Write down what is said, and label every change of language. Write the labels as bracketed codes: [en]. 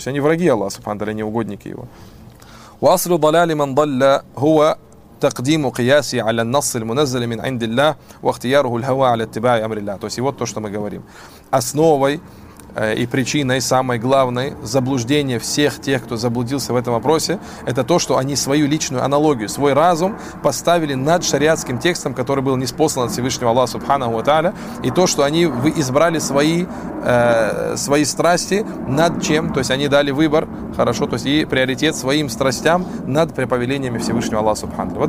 [ru] То есть, они враги Аллаха, субханаху ва тааля, они угодники его. [ar] «Ва аслю далали ман далля хуа». تقديم قياسي على النص المنزل من عند الله واختياره الهوى على اتباع امر الله. [ru] То есть вот то, что мы говорим. Основой и причиной самой главной заблуждения всех тех, кто заблудился в этом вопросе, это то, что они свою личную аналогию, свой разум поставили над шариатским текстом, который был ниспослан от Всевышнего Аллаха Субханаху ва Тааля, и то, что они избрали свои страсти над чем, то есть они дали выбор, хорошо, то есть и приоритет своим страстям над преповелениями Всевышнего Аллаха Субханаху.